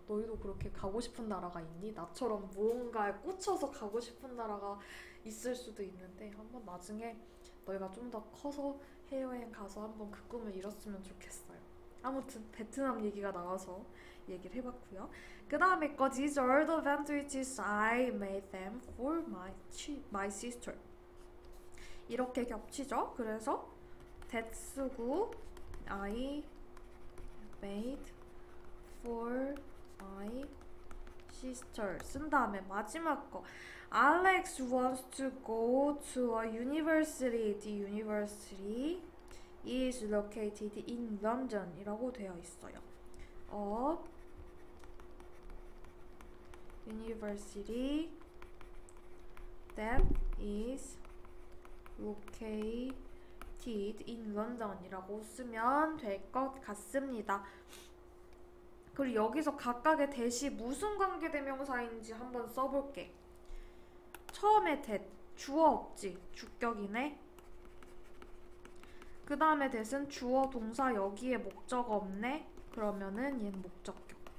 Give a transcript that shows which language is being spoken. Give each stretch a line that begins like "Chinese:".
Korean: 너희도 그렇게 가고 싶은 나라가 있니? 나처럼 무언가에 꽂혀서 가고 싶은 나라가 있을 수도 있는데 한번 나중에 너희가 좀더 커서 해외여행 가서 한번 그 꿈을 이뤘으면 좋겠어요. 아무튼 베트남 얘기가 나와서 얘기를 해봤고요. 그 다음에 거
English: 디저트 샌드위치스 I made them for my sister.
Korean: 이렇게 겹치죠? 그래서
English: that 쓰고 I made for my sister
Korean: 쓴 다음에 마지막 거
English: Alex wants to go to a university. The university is located in London
Korean: 이라고 되어 있어요.
English: A university that is located in London이라고
Korean: 쓰면 될것 같습니다. 그리고 여기서 각각의 대시 무슨 관계 대명사인지 한번 써볼게. 처음에 that 주어 없지? 주격이네. 그 다음에 that은 주어 동사 여기에 목적어 없네. 그러면은 얘는 목적격.